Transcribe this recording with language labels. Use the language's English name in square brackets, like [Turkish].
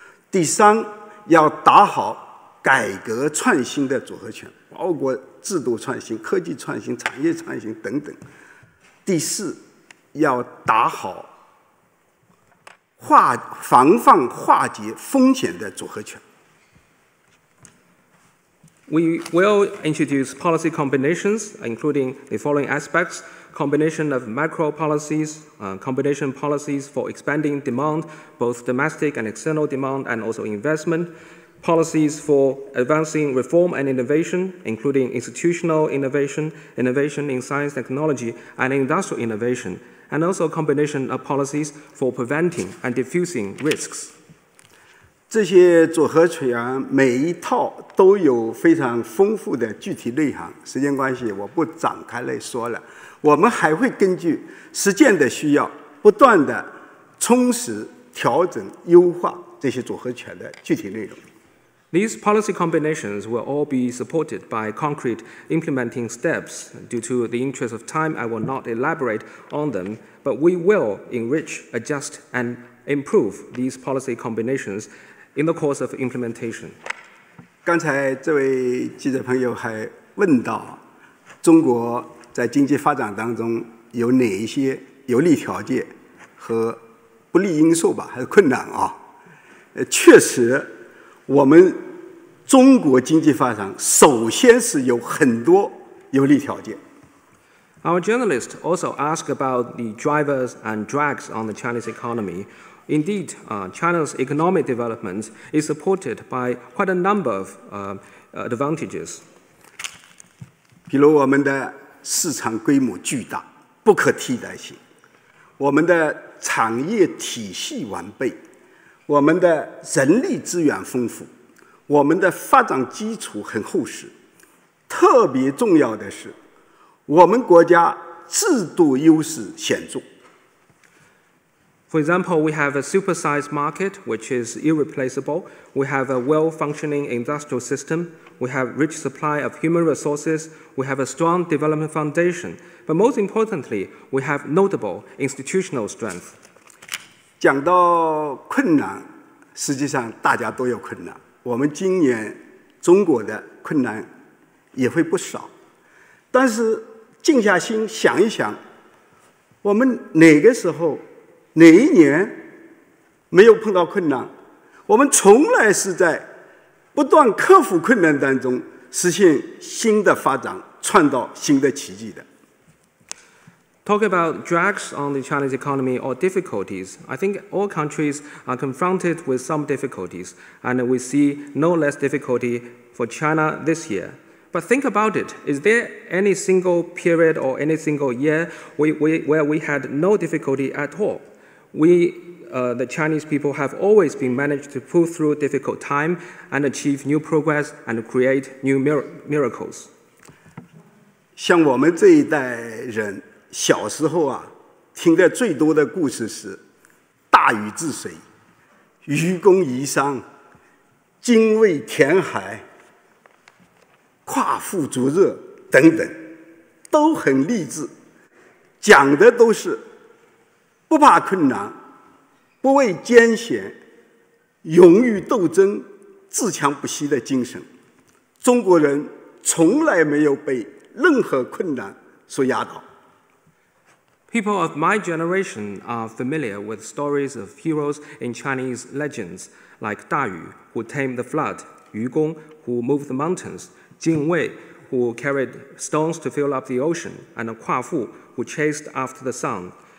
[Chinese] 第三，要打好改革创新的组合拳，包括制度创新、科技创新、产业创新等等。第四，要打好防范化解风险的组合拳。 [English] We will introduce policy combinations, including the following aspects: combination of macro policies, combination policies for expanding demand, both domestic and external demand, and also investment policies for advancing reform and innovation, including institutional innovation, innovation in science, technology, and industrial innovation. And also a combination of policies for preventing and diffusing risks. [Chinese] 这些组合拳每一套都有非常丰富的具体内涵，时间关系我不展开来说了。我们还会根据实践的需要，不断的充实、调整、优化这些组合拳的具体内容。 [English] These policy combinations will all be supported by concrete implementing steps. Due to the interest of time, I will not elaborate on them, but we will enrich, adjust, and improve these policy combinations in the course of implementation. [Chinese] 刚才这位记者朋友还问到，中国在经济发展当中有哪一些有利条件和不利因素吧，还是困难啊？确实。我们中国经济发展首先是有很多有利条件。 [English] Our journalist also asked about the drivers and drags on the Chinese economy. Indeed, China's economic development is supported by quite a number of advantages. [Chinese] 比如我们的市场规模巨大，不可替代性，我们的产业体系完备，我们的人力资源丰富，我们的发展基础很厚实，特别重要的是我们国家制度优势显著。 [English] For example, we have a supersized market, which is irreplaceable. We have a well-functioning industrial system. We have rich supply of human resources. We have a strong development foundation. But most importantly, we have notable institutional strength. [Chinese] 讲到困难，实际上大家都有困难。我们今年中国的困难也会不少。但是静下心想一想，我们哪个时候哪一年没有碰到困难？我们从来是在不断克服困难当中实现新的发展，创造新的奇迹的。 [English] Talk about drags on the Chinese economy or difficulties. I think all countries are confronted with some difficulties, and we see no less difficulty for China this year. But think about it. Is there any single period or any single year where we had no difficulty at all? The Chinese people have always been managed to pull through difficult time and achieve new progress and create new miracles. [Chinese] 像我们这一代人小时候啊，听的最多的故事是大禹治水、愚公移山、精卫填海、夸父逐日等等，都很励志，讲的都是不怕困难，不畏艰险，勇于斗争，自强不息的精神。中国人从来没有被任何困难所压倒。 [English] People of my generation are familiar with stories of heroes in Chinese legends, like 大禹 who tamed the flood, 愚公 who moved the mountains, 精卫 who carried stones to fill up the ocean, and 夸父 who chased after the sun.